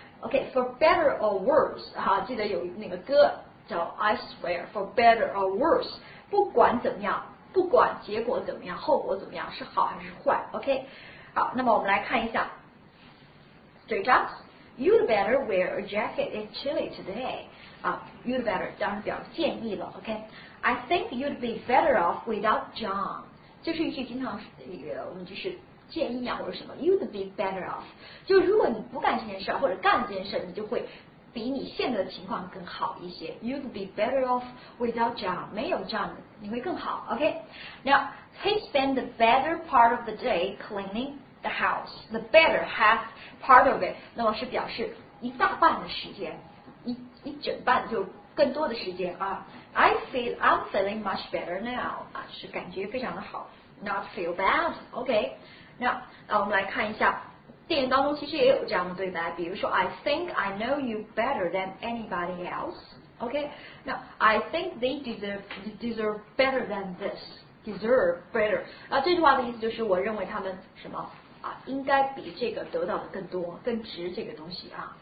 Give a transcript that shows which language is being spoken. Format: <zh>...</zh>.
<en>OK, for better or worse，</en> <zh>哈、啊，记得有那个歌叫</zh> <en>I swear for better or worse，</en> <zh>不管怎么样，不管结果怎么样，后果怎么样，是好还是坏 ，OK， 好，那么我们来看一下 ，</zh> <en>straight up， you'd better wear a jacket it's chilly today。 You'd better</en> <zh>当然表示建议了 ，OK。</zh> <en>I think you'd be better off without John。</en> <zh>就是一句经常我们就是建议啊或者什么 ，</zh> <en>You'd be better off。</en> <zh>就如果你不干这件事或者干这件事，你就会比你现在的情况更好一些。</zh> <en>You'd be better off without John。</en> <zh>没有 John 你会更好</zh> <en>，OK。 Now he spent the better part of the day cleaning the house。 The better half part of it，</en> <zh>那么是表示一大半的时间。一整半就更多的时间啊</zh> <en>I'm feeling much better now</en> <zh>啊，是感觉非常的好 ，</zh> <en>not feel bad，</en> <zh>OK，、okay. 那我们来看一下电影当中其实也有这样的对白，比如说</zh> <en>I think I know you better than anybody else. OK, now I think they deserve better than this. Deserve better.</en> <zh>那这句话的意思就是我认为他们什么啊，应该比这个得到的更多，更值这个东西啊。</zh>